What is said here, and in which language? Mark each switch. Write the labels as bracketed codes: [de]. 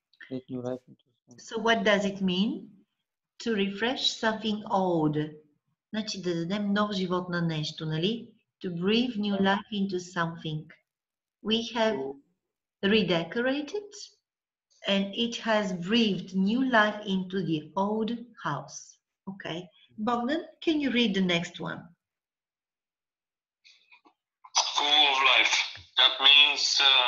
[en] New life into so what does it mean? To refresh something old. [bg] Значи да дадем нов живот на нещо, нали? [en] To breathe new life into something. We have redecorated and it has breathed new life into the old house. Okay. Bogdan, can you read the next one? School of life. That means